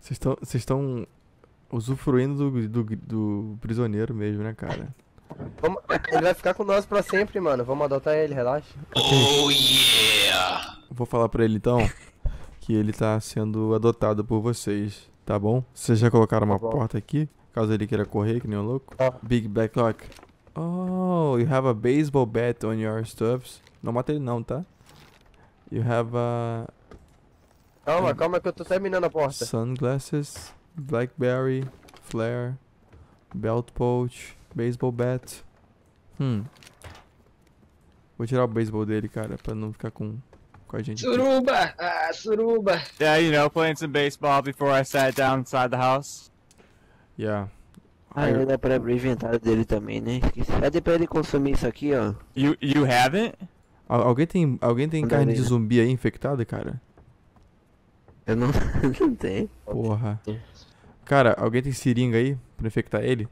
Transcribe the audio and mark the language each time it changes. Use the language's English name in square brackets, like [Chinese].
[Portuguese] Vocês estão usufruindo do prisioneiro mesmo, né, cara? Ele vai ficar com nós pra sempre, mano. Vamos adotar ele, relaxa. [English] Oh, yeah. [Portuguese] Vou falar pra ele, então, que ele tá sendo adotado por vocês, tá bom? Vocês já colocaram uma porta aqui? Caso ele queira correr, que nem um louco. Oh. [English] Big Blacklock. Oh, you have a baseball bat on your stuffs. [Portuguese] Não mata ele não, tá? [English] You have a... [Portuguese] Calma que eu tô terminando a porta. [English] Sunglasses, blackberry, flare, belt pouch, baseball bat. [Portuguese] Vou tirar o baseball dele, cara, pra não ficar com a gente. Suruba! Aqui. Ah, suruba! [English] Yeah, you know, playing some baseball before I sat down inside the house. Yeah. [Portuguese] Ah, ele dá pra abrir o inventário dele também, né? Cadê pra ele consumir isso aqui, ó? [English] You haven't? [Portuguese] Alguém tem carne de zumbi aí infectada, cara? Eu não tenho. Porra. Cara, alguém tem seringa aí pra infectar ele?